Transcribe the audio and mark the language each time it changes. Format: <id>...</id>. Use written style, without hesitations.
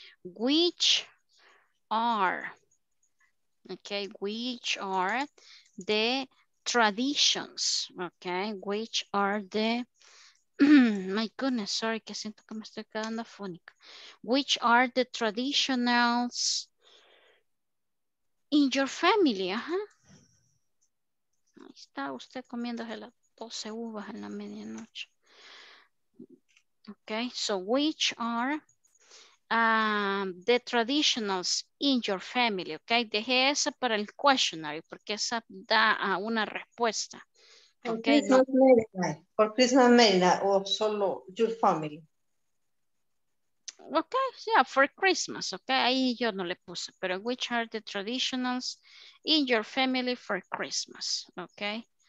<en>Which are, ok, which are the traditions, ok? Which are the, my goodness, sorry,</en> <es>que siento que me estoy quedando afónica.</es> <en>Which are the traditionals in your family, ajá. Uh-huh.</en> <es>Ahí está usted comiéndose las 12 uvas en la medianoche.</es> <en>Okay, so which are the traditionals in your family?</en> <es>Okay, dejé esa para el questionnaire porque esa da una respuesta.</es> <en>Okay, for Christmas Mela or solo your family? Okay, yeah, for Christmas, okay,</en> <es>ahí yo no le puse, pero</es> <en>which are the traditionals in your family for Christmas, okay?</en>